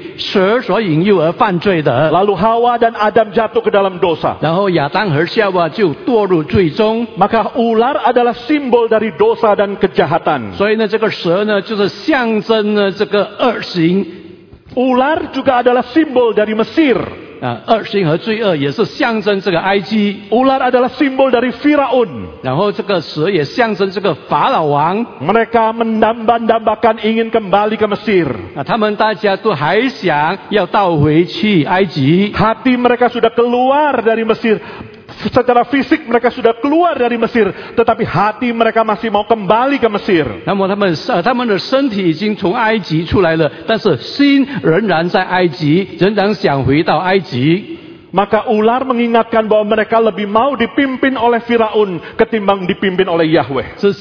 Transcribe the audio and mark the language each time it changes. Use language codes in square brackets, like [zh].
[zh] 那么蛇呢，这引起我们记得，原来这夏娃呢是被蛇所引诱而犯罪的。 [id] Lalu Hawa dan Adam jatuh ke dalam dosa. [zh] 然后亚当和夏娃就堕入罪中。 [id] Maka ular adalah simbol dari dosa dan kejahatan. [zh] 所以呢，这个蛇呢，就是象征呢这个恶行。 [id] Ular juga adalah simbol dari Mesir. [zh] 恶行和罪恶也是象征这个埃及。 [id] Ular adalah simbol dari Firaun. [zh] 然后这个蛇也象征这个法老王。 [id] Mereka mendamba-dambakan ingin kembali ke Mesir. [zh] 他们大家都还想要倒回去埃及。 [id] Hati mereka sudah keluar dari Mesir. Secara fisik mereka sudah keluar dari Mesir, tetapi hati mereka masih mau kembali ke Mesir. [zh] 那么他们的身体已经从埃及出来了，但是心仍然在埃及，仍然想回到埃及。 [id] Maka ular mengingatkan bahwa mereka lebih mau dipimpin oleh Firaun ketimbang dipimpin oleh Yahweh.